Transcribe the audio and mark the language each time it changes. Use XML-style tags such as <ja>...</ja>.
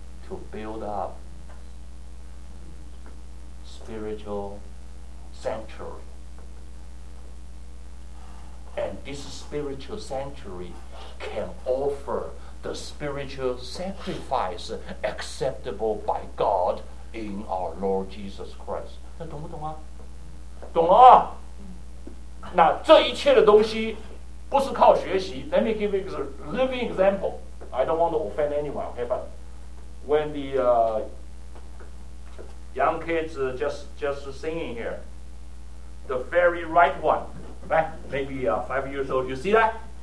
<en>To build up spiritual sanctuary. And this spiritual sanctuary can offer the spiritual sacrifice acceptable by God in our Lord Jesus Christ.</en> <zh>那懂不懂啊？懂了啊？那这一切的东西不是靠学习。</zh> <en>Let me give you a living example. I don't want to offend anyone, okay, but... When the young kids just singing here, the very right one, right? Maybe 5 years old, you see that?</en>